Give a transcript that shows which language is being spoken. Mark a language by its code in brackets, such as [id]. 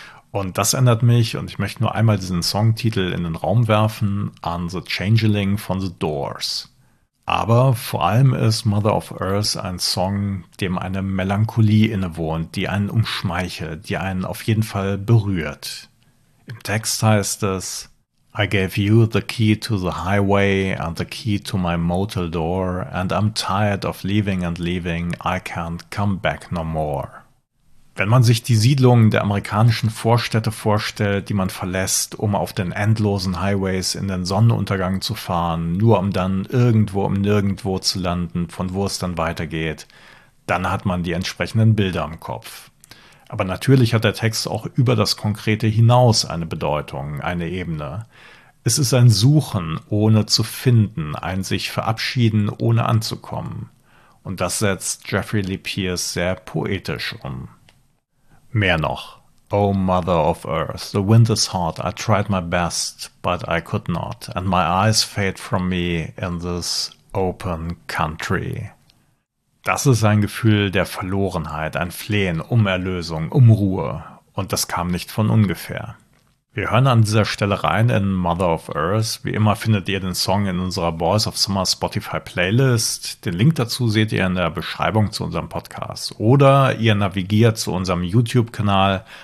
[de] Und das ändert mich, und ich möchte nur einmal diesen Songtitel in den Raum werfen, an The Changeling von The Doors. Aber vor allem ist Mother of Earth ein Song, dem eine Melancholie innewohnt, die einen umschmeichelt, die einen auf jeden Fall berührt. Im Text heißt es, [en] I gave you the key to the highway and the key to my motel door and I'm tired of leaving and leaving, I can't come back no more. [de] Wenn man sich die Siedlungen der amerikanischen Vorstädte vorstellt, die man verlässt, um auf den endlosen Highways in den Sonnenuntergang zu fahren, nur um dann irgendwo im Nirgendwo zu landen, von wo es dann weitergeht, dann hat man die entsprechenden Bilder im Kopf. Aber natürlich hat der Text auch über das Konkrete hinaus eine Bedeutung, eine Ebene. Es ist ein Suchen ohne zu finden, ein sich verabschieden ohne anzukommen. Und das setzt Geoffrey Lee Pierce sehr poetisch um. Mehr noch. [en] O Mother of Earth, the wind is hot, I tried my best, but I could not, and my eyes fade from me in this open country. [de] Das ist ein Gefühl der Verlorenheit, ein Flehen um Erlösung, um Ruhe, und das kam nicht von ungefähr. Wir hören an dieser Stelle rein in Mother of Earth. Wie immer findet ihr den Song in unserer Boys of Summer Spotify Playlist. Den Link dazu seht ihr in der Beschreibung zu unserem Podcast. Oder ihr navigiert zu unserem YouTube-Kanal.